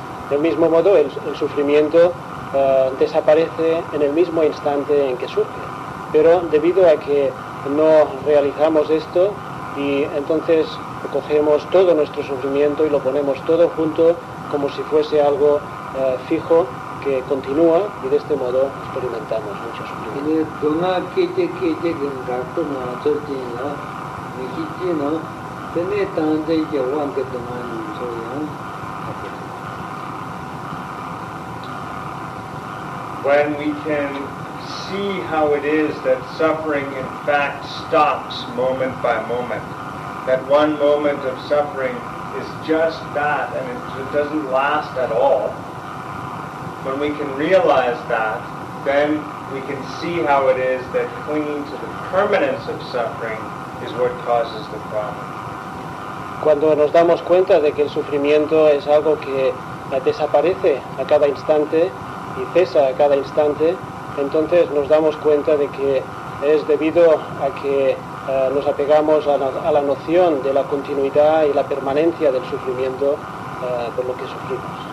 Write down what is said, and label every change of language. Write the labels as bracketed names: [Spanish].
[Spanish] Del mismo modo, el sufrimiento desaparece en el mismo instante en que surge, pero debido a que no realizamos esto y entonces cogemos todo nuestro sufrimiento y lo ponemos todo junto como si fuese algo fijo que continúa y de este modo experimentamos mucho sufrimiento. [English] When we can see how it is that suffering in fact stops moment by moment, that one moment of suffering is just that and it doesn't last at all, when we can realize that, then we can see how it is that clinging to the permanence of suffering is what causes the problem. [Spanish] Cuando nos damos cuenta de que el sufrimiento es algo que desaparece a cada instante y cesa a cada instante, entonces nos damos cuenta de que es debido a que nos apegamos a la noción de la continuidad y la permanencia del sufrimiento por lo que sufrimos.